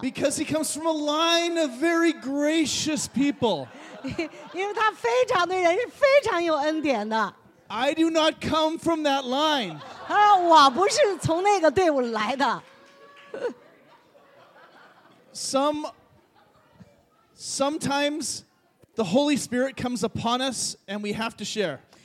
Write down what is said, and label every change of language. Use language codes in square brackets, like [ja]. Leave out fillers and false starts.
[en] Because he comes from a line of very gracious people. [zh] 因为他非常的人是非常有恩典的。 [en] I do not come from that line. [zh] 他说我不是从那个队伍来的。 [en] Sometimes the Holy Spirit comes upon us and we have to share.